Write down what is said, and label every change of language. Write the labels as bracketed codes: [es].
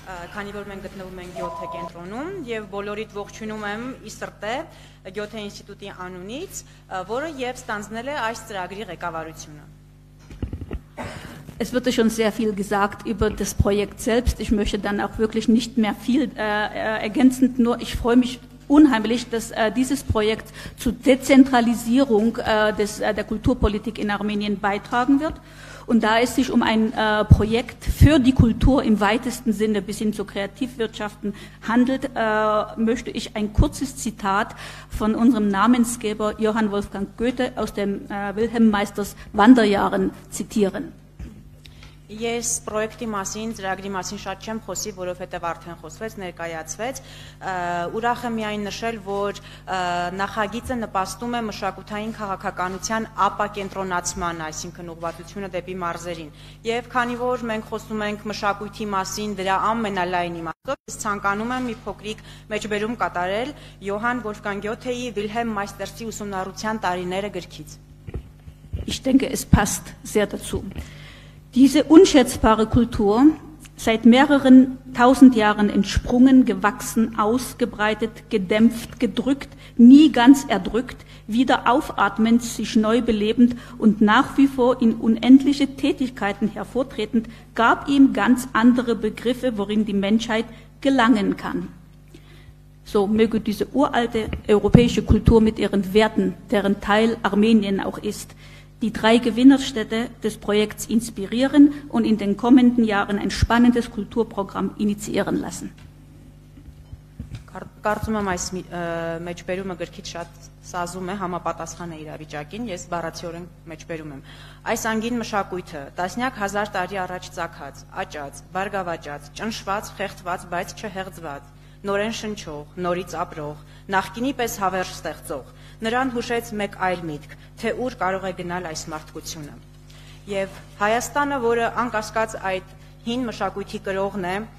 [hy] Քանի որ մենք գտնվում ենք Գյոթե կենտրոնում եւ բոլորիդ ողջունում եմ իսրտե Գյոթե ինստիտուտի անունից, որը եւ ստանձնել է այս ծրագրի ղեկավարությունը։ [de] Es wurde schon sehr viel gesagt über das Projekt selbst. Ich möchte dann auch wirklich nicht mehr viel ergänzend, nur ich freue mich unheimlich, dass dieses Projekt zur Dezentralisierung der Kulturpolitik in Armenien beitragen wird. Und da es sich um ein Projekt für die Kultur im weitesten Sinne bis hin zu Kreativwirtschaften handelt, möchte ich ein kurzes Zitat von unserem Namensgeber Johann Wolfgang Goethe aus dem Wilhelm Meisters Wanderjahren zitieren. [hy] Ես պրոյեկտի մասին, ծրագրի մասին շատ չեմ խոսի, որովհետև արդեն խոսվեց, ներկայացվեց, ուրախ եմ միայն նշել, որ նախագիծը նպաստում է մշակութային քաղաքականության ապակենտրոնացման, այսինքն ուղղվածությունը դեպի մարզերին, եւ քանի որ մենք խոսում ենք մշակույթի մասին դրա ամենալայն իմաստով, ես ցանկանում եմ մի փոքրիկ մեջբերում կատարել Յոհան Վոլֆգանգ Գյոթեի Վիլհելմ Մայստերսի ուսումնառության տարիները գրքից. [de] Diese unschätzbare Kultur, seit mehreren tausend Jahren entsprungen, gewachsen, ausgebreitet, gedämpft, gedrückt, nie ganz erdrückt, wieder aufatmend, sich neu belebend und nach wie vor in unendliche Tätigkeiten hervortretend, gab ihm ganz andere Begriffe, worin die Menschheit gelangen kann. So möge diese uralte europäische Kultur mit ihren Werten, deren Teil Armenien auch ist, die drei Gewinnerstädte des Projekts inspirieren und in den kommenden Jahren ein spannendes Kulturprogramm initiieren lassen. [hy] Կարծում եմ այս մեջբերումը գրքից շատ սազում է, համապատասխան է իրավիճակին, ես բառացիորեն մեջբերում եմ։ Այս անգին մշակույթը, տասնյակ հազար տարի առաջ ծագած, աճած, բարգավաճած, ճնշված, խեղդված, բայց չհեղձված, նորեն շնչող, նորից ապրող, նախկինի պես հավերժ ստեղծող, նրան հուշեց մեկ այլ միտք, թե ուր կարող է գնալ այս մարդկությունը։ Եվ Հայաստանը, որը անկասկած այդ հին մշակույթի կրողն է,